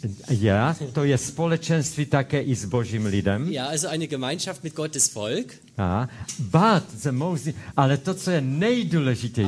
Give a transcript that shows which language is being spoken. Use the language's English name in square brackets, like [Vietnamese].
[Czech] Ja, to je společenství také i s Božím lidem. [German] Ja, also eine Gemeinschaft mit Gottes Volk. [Czech] Ja, [English] but the most, [Czech] ale to, co je nejdůležitější.